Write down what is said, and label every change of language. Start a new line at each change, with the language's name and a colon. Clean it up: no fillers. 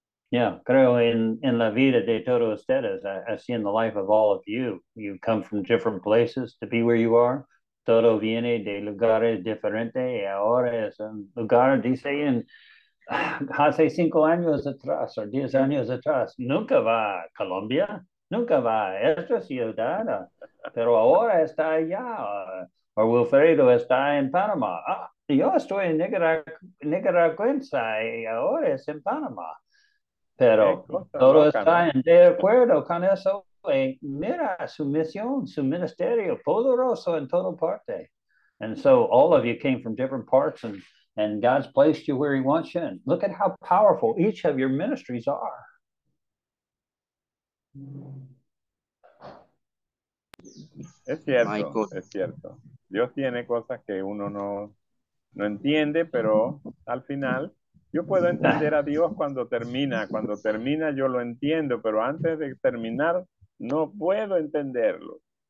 Spanish: Yeah, creo en la vida de todos ustedes,
English: I see in the life of all of you, you come from different places to be where you are,
Spanish: todo viene de lugares diferentes, y ahora es un lugar, dice, en, hace 5 años atrás, o 10 años atrás, nunca va a Colombia, nunca va a esta ciudad, pero ahora está allá, o Wilfredo está en Panamá, yo estoy en Nicaragua, y ahora es en Panamá. Pero todo está de acuerdo con eso. Y mira su misión, su ministerio, poderoso en todo parte.
English: And so all of you came from different parts and God's placed you where he wants you. And look at how powerful each of your ministries are.
Spanish: Es cierto, Michael. Es cierto. Dios tiene cosas que uno no entiende, pero al final... Yo puedo entender a Dios cuando termina. Cuando termina yo lo entiendo, pero antes de terminar no puedo entenderlo.